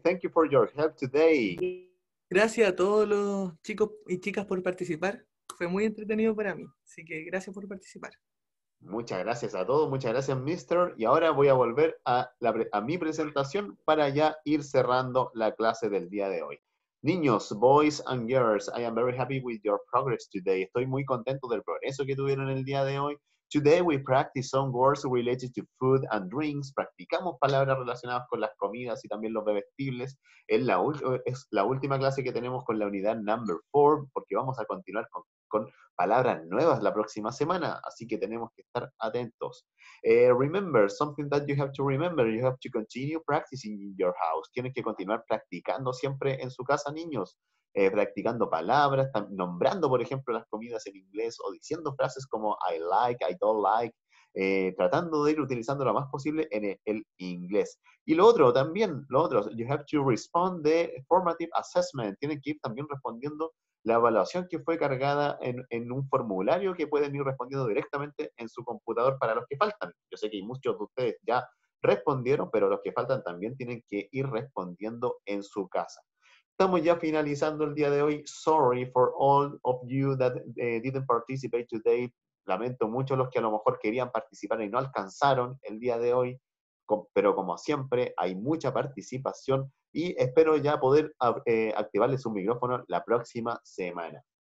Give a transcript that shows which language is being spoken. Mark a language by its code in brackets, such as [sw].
[en] Thank you for your help today. [es] Gracias a todos los chicos y chicas por participar. Fue muy entretenido para mí. Así que gracias por participar. Muchas gracias a todos. Muchas gracias, mister. Y ahora voy a volver a mi presentación para ya ir cerrando la clase del día de hoy. [en] Niños, boys and girls, I am very happy with your progress today. [es] Estoy muy contento del progreso que tuvieron el día de hoy. [en] Today we practice some words related to food and drinks. [es] Practicamos palabras relacionadas con las comidas y también los bebestibles. Es la última clase que tenemos con la unidad number 4, porque vamos a continuar con palabras nuevas la próxima semana. Así que tenemos que estar atentos. [en] Remember, something that you have to remember, you have to continue practicing in your house. [es] Tienes que continuar practicando siempre en su casa, niños. Practicando palabras, nombrando por ejemplo las comidas en inglés o diciendo frases como [en] I like, I don't like, [es] tratando de ir utilizando lo más posible en el inglés. Y lo otro, [en] you have to respond the formative assessment. [es] Tienen que ir también respondiendo la evaluación que fue cargada en un formulario que pueden ir respondiendo directamente en su computador para los que faltan. Yo sé que muchos de ustedes ya respondieron, pero los que faltan también tienen que ir respondiendo en su casa. Estamos ya finalizando el día de hoy. [en] Sorry for all of you that didn't participate today. [es] Lamento mucho los que a lo mejor querían participar y no alcanzaron el día de hoy. Pero como siempre, hay mucha participación y espero ya poder activarles un micrófono la próxima semana.